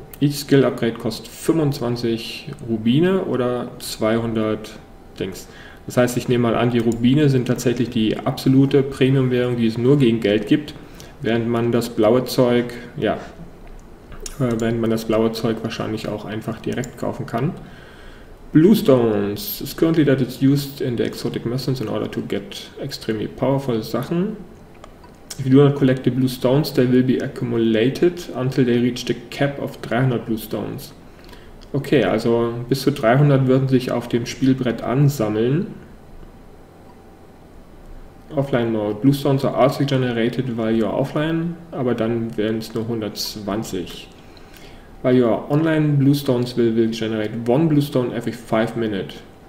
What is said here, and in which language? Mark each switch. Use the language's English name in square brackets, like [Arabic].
[English] Each Skill Upgrade [German] kostet 25 Rubine oder 200 Dings. Das heißt, ich nehme mal an, die Rubine sind tatsächlich die absolute Premium-Währung, die es nur gegen Geld gibt. Während man das blaue Zeug, ja, während man das blaue Zeug wahrscheinlich auch einfach direkt kaufen kann. [English] Bluestones is currently that it's used in the exotic merchants in order to get extremely powerful [German] Sachen. [English] If you do not collect the Bluestones, they will be accumulated until they reach the cap of 300 Bluestones. [German] Okay, also bis zu 300 würden sich auf dem Spielbrett ansammeln. [English] Offline Mode. Bluestones are also generated while you are offline, [German] aber dann wären es nur 120. [English] While you are online, Bluestones will generate 1 Bluestone every 5 minutes.